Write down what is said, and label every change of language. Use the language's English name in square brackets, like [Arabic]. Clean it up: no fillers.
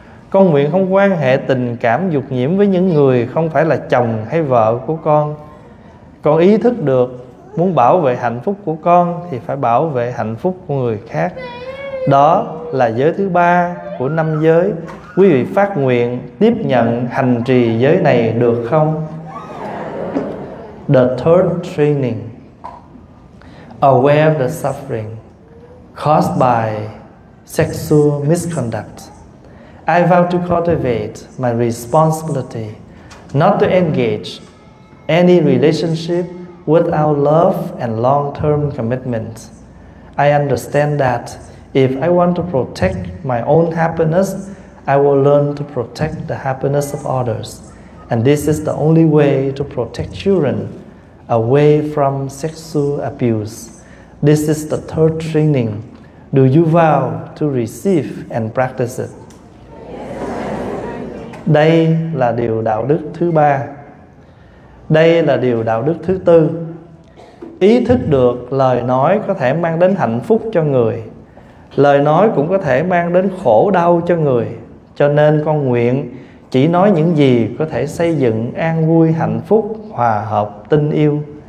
[Vietnamese] Con nguyện không quan hệ tình cảm dục nhiễm với những người không phải là chồng hay vợ của con. Con ý thức được muốn bảo vệ hạnh phúc của con thì phải bảo vệ hạnh phúc của người khác. Đó là giới thứ ba của năm giới. Quý vị phát nguyện tiếp nhận hành trì giới này được không? [English] The third training: aware of the suffering caused by sexual misconduct, I vow to cultivate my responsibility not to engage any relationship without love and long-term commitment. I understand that if I want to protect my own happiness, I will learn to protect the happiness of others. And this is the only way to protect children away from sexual abuse. This is the third training. Do you vow to receive and practice it? [Vietnamese] Đây là điều đạo đức thứ ba. Đây là điều đạo đức thứ tư. Ý thức được lời nói có thể mang đến hạnh phúc cho người, lời nói cũng có thể mang đến khổ đau cho người. Cho nên con nguyện chỉ nói những gì có thể xây dựng an vui, hạnh phúc, hòa hợp, tình yêu.